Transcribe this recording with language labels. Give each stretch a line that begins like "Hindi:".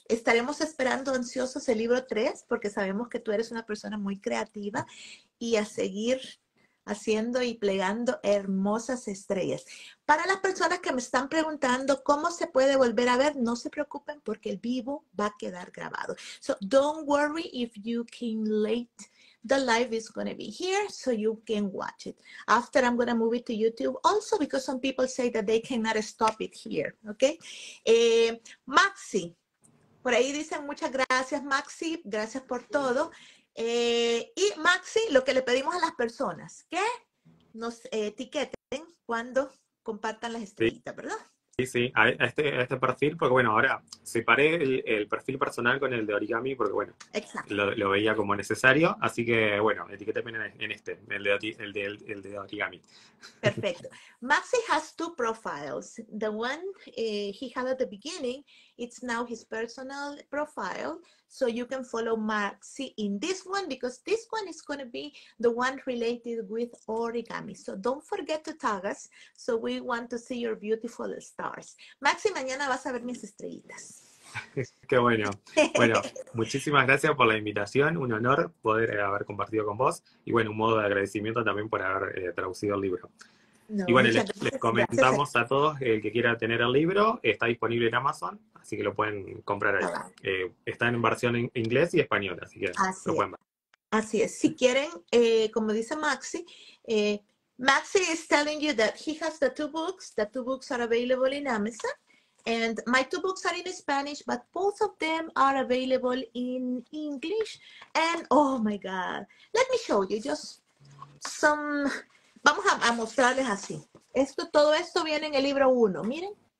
Spanish: Estaremos esperando ansiosos el libro 3, porque sabemos que tú eres una persona muy creativa y a seguir haciendo y plegando hermosas estrellas. Para las personas que me están preguntando cómo se puede volver a ver, no se preocupen porque el vivo va a quedar grabado.
English: So, don't worry if you came late. The live is going to be here so you can watch it. After, I'm going to move it to YouTube also because some people say that they cannot stop it here.
Spanish: Okay? Maxi, por ahí dicen muchas gracias, Maxi. Gracias por todo. Y Maxi, lo que le pedimos a las personas, que nos etiqueten cuando compartan las estrellitas, sí. ¿Verdad? Sí, sí, a este perfil, porque bueno, ahora separé el perfil personal con el de Origami, porque bueno, lo veía como necesario, así que bueno, etiquétenme en este, el de Origami.
English: Perfecto. Maxi has two profiles. The one he had at the beginning, it's now his personal profile, so you can follow Maxi in this one, because this one is going to be the one related with Origami. So don't forget to tag us, so we want to see your beautiful stars.
Spanish: Maxi, mañana vas a ver mis estrellitas. Qué bueno. Bueno, muchísimas gracias por la invitación. Un honor poder haber compartido con vos. Y bueno, un modo de agradecimiento también por haber traducido el libro. No, y bueno, les comentamos a todos, el que quiera tener el libro, está disponible en Amazon, así que lo pueden comprar ahí. Está en versión en inglés y español, así que así lo pueden ver. Así es.
English: Si quieren, como dice Maxi, Maxi is telling you that he has the two books. The two books are available in Amazon. And my two books are in Spanish, but both of them are available in English. And, oh my God, let me show you just some.
Spanish: Vamos a mostrarles así. Esto, todo esto viene en el libro uno, miren.